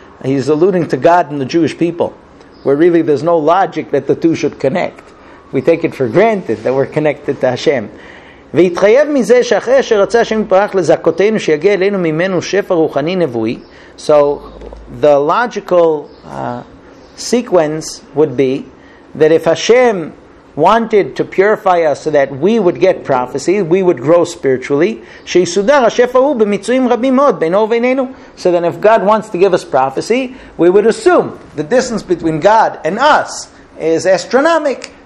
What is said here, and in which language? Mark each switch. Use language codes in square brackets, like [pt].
[en] He's alluding to God and the Jewish people, where really there's no logic that the two should connect. We take it for granted that we're connected to Hashem. [he] והתחייב מזה שאחרי שרצה השם יתברך לזעקותינו שיגיע אלינו ממנו שפע רוחני נבואי. [en] So the logical sequence would be that if Hashem wanted to purify us so that we would get prophecy, we would grow spiritually, [he] שיסודר השפע הוא במיצויים רבים מאוד בינו ובינינו. [en] So then if God wants to give us prophecy, we would assume the distance between God and us is astronomic.